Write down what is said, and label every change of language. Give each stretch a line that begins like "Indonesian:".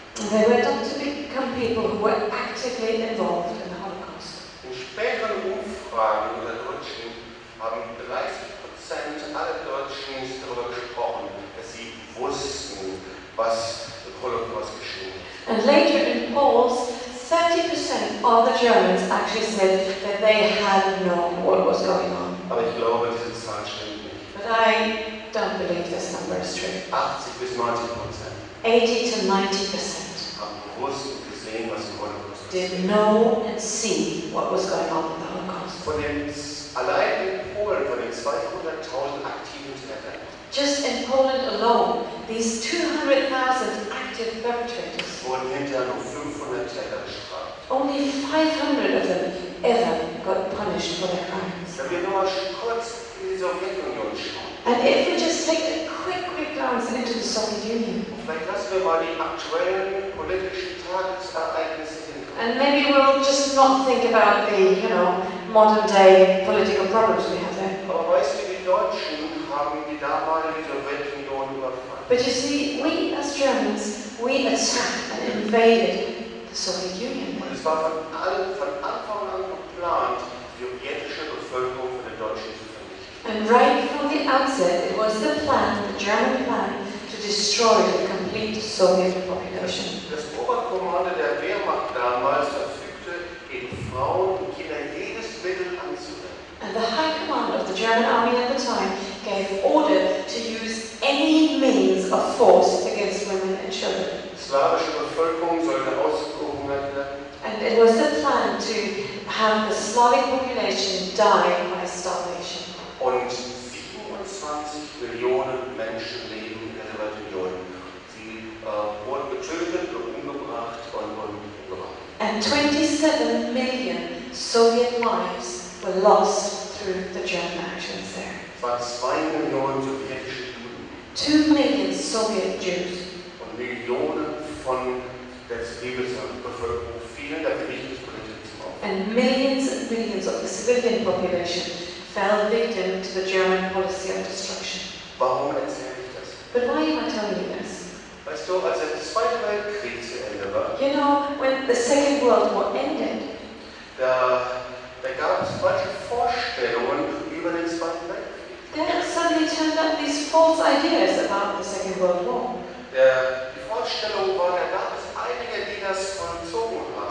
English: they went on to become people who were actively involved in the Holocaust.
German: In späteren Umfragen der Deutschen haben 30% aller Deutschen darüber gesprochen, dass sie wussten, was der Holocaust geschehen ist.
English: And later in polls, 30% of the Germans actually said that they had known what was going on.
German: Aber ich glaube, diese Zahl stimmt nicht.
English: But I don't believe this number is true.
German: 80 bis 90%.
English: 80 to 90%.
German: Haben bewusst gesehen, was im Holocaust
English: did know and see what was going on in the Holocaust.
German: Von den allein in Polen, von den 200,000 aktiven Täterinnen.
English: Just in Poland alone, these 200,000 active perpetrators.
German: Wurden hinterher nur 500 Täter bestraft.
English: Only 500 of them ever got punished for their crimes.
German: Wenn wir nur mal kurz in die Sowjetunion schauen.
English: And if we just take a quick glance into the Soviet Union.
German: Vielleicht lassen wir mal die aktuellen politischen Tagesereignisse.
English: And maybe we'll just not think about the, you know, modern-day political problems we have there.
German: Aber weißt du, die Deutschen haben die damalige Sowjetunion überfallen.
English: But you see, we as Germans, we attacked and invaded the Soviet Union.
German: Und es war von Anfang an geplant, die sowjetische Bevölkerung für den Deutschen zu vernichten.
English: And right from the outset, it was the plan, the German plan, to destroy the complete Soviet population.
German: Das Oberkommando der Wehrmacht damals verfügte, gegen Frauen und Kinder jedes Mittel anzuwenden.
English: And the high command of the German army at the time gave order to use any means of force against women and children.
German: Slavische Bevölkerung sollte ausgehungert werden.
English: And it was the plan to have the Slavic population die by starvation.
German: Und 27 Millionen Menschen leben in der Sowjetunion. Sie wurden getötet und umgebracht und wurden umgebracht.
English: And 27 million Soviet lives were lost through the German actions there.
German: Es waren 2 Millionen sowjetische Juden.
English: 2 million Soviet Jews.
German: Und Millionen von der Zivilbevölkerung fielen der Kriegspolitik zum Opfer.
English: And millions and millions of the civilian population fell victim to the German policy of destruction.
German: Warum erzähle ich das?
English: But why am I telling you this?
German: Weißt du, als der Zweite Weltkrieg zu Ende war,
English: you know, when the Second World War ended,
German: da gab es falsche Vorstellungen über den Zweiten Weltkrieg.
English: There suddenly turned up these false ideas about the Second World War.
German: Die Vorstellung war, da gab es einige, die das vollzogen haben.